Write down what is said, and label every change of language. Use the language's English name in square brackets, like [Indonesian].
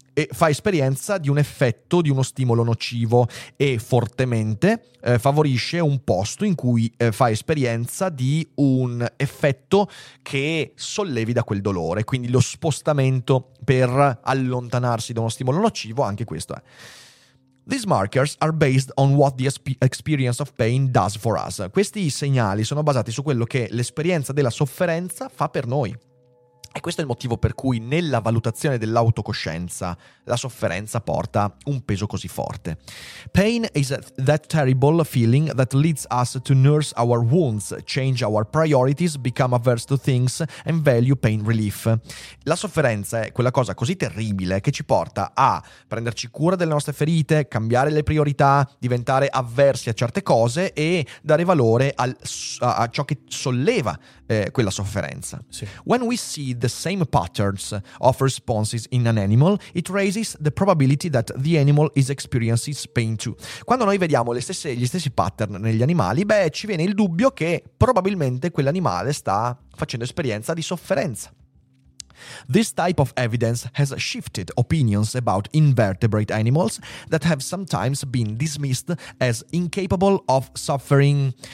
[Italian] fa esperienza di un effetto di uno stimolo nocivo e fortemente favorisce un posto in cui fa esperienza di un effetto che sollevi da quel dolore, quindi lo spostamento per allontanarsi da uno stimolo nocivo, anche questo è. [English] These markers are based on what the experience of pain does for us. [Italian] Questi segnali sono basati su quello che l'esperienza della sofferenza fa per noi. E questo è il motivo per cui nella valutazione dell'autocoscienza la sofferenza porta un peso così forte. [English] Pain is that terrible feeling that leads us to nurse our wounds, change our priorities, become averse to things and value pain relief. [Italian] La sofferenza è quella cosa così terribile che ci porta a prenderci cura delle nostre ferite, cambiare le priorità, diventare avversi a certe cose e dare valore a ciò che solleva quella sofferenza. Sì. [English] When we see the same patterns of responses in an animal, it raises the probability that the animal is experiencing pain too. [Italian] Quando noi vediamo gli stessi pattern negli animali, beh, ci viene il dubbio che probabilmente quell'animale sta facendo esperienza di sofferenza. [English] This type of evidence has shifted opinions about invertebrate animals that have sometimes been dismissed as incapable of suffering.